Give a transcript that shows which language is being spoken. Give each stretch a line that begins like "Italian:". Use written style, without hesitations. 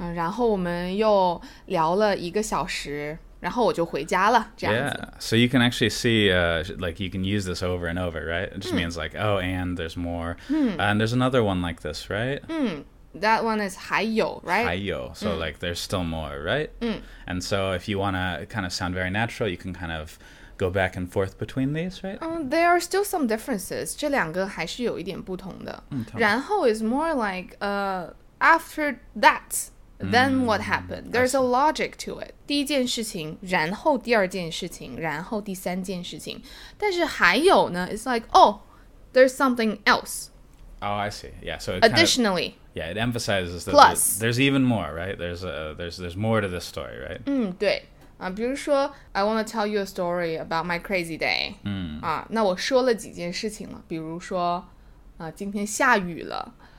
Chinese: 然后我们又聊了一个小时。然后我就回家了，这样子。
English: Yeah, so you can actually see, like, you can use this over and over, right? It just means like, oh, and there's more. And there's another one like this, right? That one is 还有, right? 还有, so like there's still more, right? And so if you want to kind of sound very natural, you can kind of go back and forth between these, right? There are still some differences.
Chinese: 这两个还是有一点不同的。
English: 然后 is more like after that, then what happened? There's a logic to it.
Chinese: 第一件事情,然后第二件事情,然后第三件事情。但是还有呢,
English: it's like, oh, there's something else. Oh, I see. Yeah, so additionally, kind of, yeah, it emphasizes that plus, there's even more, right? There's more to this story, right?
Chinese: 对。
English: 比如说 I want to tell you a story about my crazy day.
Chinese: 那我说了几件事情了。比如说今天下雨了。